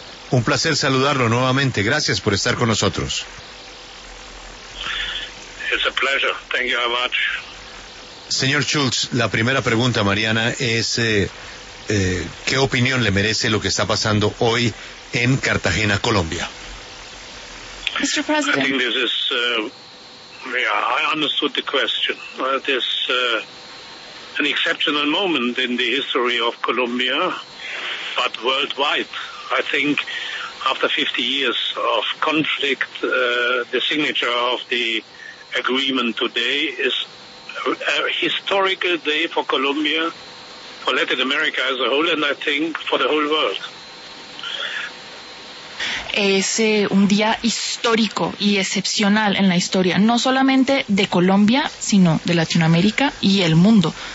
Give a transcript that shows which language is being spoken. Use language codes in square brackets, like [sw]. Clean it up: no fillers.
[es] Un placer saludarlo nuevamente. Gracias por estar con nosotros. [en] It's a pleasure. Thank you very much. [es] Señor Schulz, la primera pregunta, Mariana, es ¿qué opinión le merece lo que está pasando hoy en Cartagena, Colombia? [en] Mr. President, I think this is I understood the question. This an exceptional moment in the history of Colombia, but worldwide. I think after 50 years of conflict, the signature of the agreement today is a historical day for Colombia, for Latin America as a whole, and I think for the whole world. [es] Es un día histórico y excepcional en la historia, no solamente de Colombia, sino de Latinoamérica y el mundo.